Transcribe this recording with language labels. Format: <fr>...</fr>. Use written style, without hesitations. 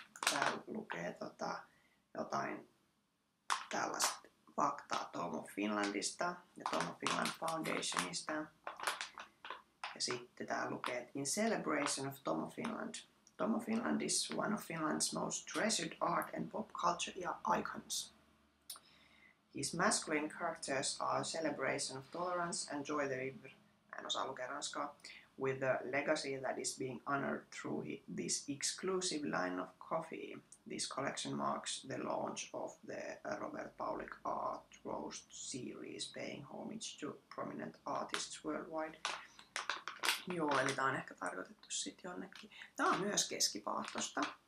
<fi>Täällä lukee jotain tällaista faktaa Tom of Finlandista ja Tom of Finland Foundationista. Ja sitten täällä lukee,</fi> <en>in celebration of Tom of Finland. Tom of Finland is one of Finland's most treasured art and pop culture icons. His masculine characters are a celebration of tolerance and joy de vivre.</en> <fi>En osaa lukea ranskaa.</fi> <en>With the legacy that is being honored through this exclusive line of coffee, this collection marks the launch of the Robert Paulik Art Roast series, paying homage to prominent artists worldwide.</en> <fi>Joo, eli tämä on ehkä tarkoitettu sitten jonnekin. Tämä on myös keskipaahtoista.</fi>